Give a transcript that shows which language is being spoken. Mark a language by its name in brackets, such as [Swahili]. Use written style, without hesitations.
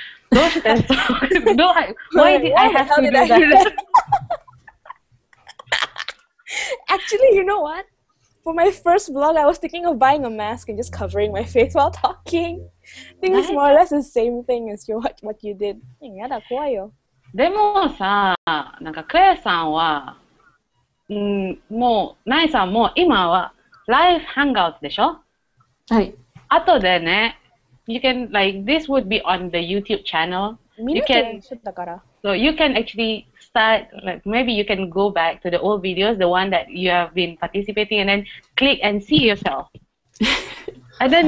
[Japanese] どうして? [English] Why did I have to do that? Actually, you know what? For my first vlog, I was thinking of buying a mask and just covering my face while talking. I think it's more or less the same thing as what you did. [Japanese] やだ、怖いよ。でもさ、なんかクエさんは、もう、ナイさんも今は、ライフハングアウトでしょ? はい。あとでね、 [English] you can, like, this would be on the YouTube channel. [Japanese] 見るってしてたから。 [English] So you can actually start, like, maybe you can go back to the old videos, the one that you have been participating, and then click and see yourself. And then